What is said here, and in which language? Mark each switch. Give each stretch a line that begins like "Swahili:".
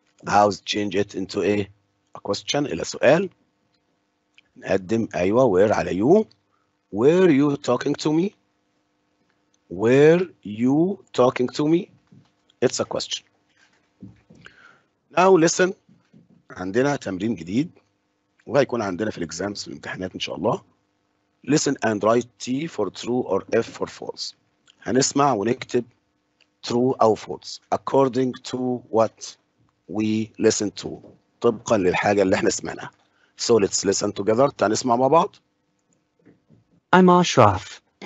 English: How's change it into a question
Arabic: الى سؤال. نقدم ايوه where على you.
English: Were you talking to me? Were you talking to me? It's a question. Now listen.
Arabic: عندنا تمرين جديد وهيكون عندنا في الاكزامز في الامتحانات ان شاء الله.
English: Listen and write T for true or F for false.
Arabic: هنسمع ونكتب
English: true او false according to what we listen to.
Arabic: طبقا للحاجة اللي احنا سمعناها.
English: So let's listen together.
Arabic: تعال نسمع مع بعض.
English: I'm Ashraf.